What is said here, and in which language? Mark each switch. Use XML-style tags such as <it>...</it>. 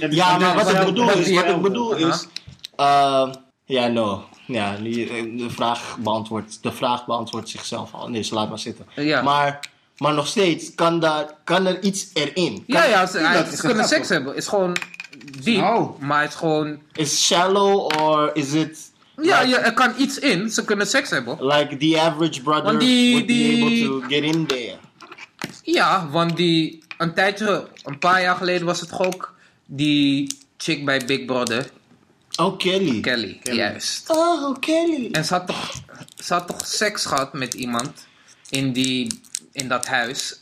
<nl>Ja, maar wat ik bedoel is... Wat ik bedoel is... Ja, no. Ja, de vraag beantwoordt zichzelf al. Nee, ze laat maar zitten. Ja. Maar nog steeds, kan er iets erin? Ze kunnen seks hebben. Het is gewoon diep, maar het is gewoon...</nl> <en>Is shallow or is it...</en> <nl>Ja, like, ja, er kan iets in. Ze kunnen seks hebben.</nl> <en>Like the average brother be able to get in there.</en> <nl>Ja, want een paar jaar geleden was het ook die chick bij Big Brother. Oh, Kelly. Kelly, juist. Oh, Kelly. En ze had toch seks gehad met iemand in dat huis.</nl>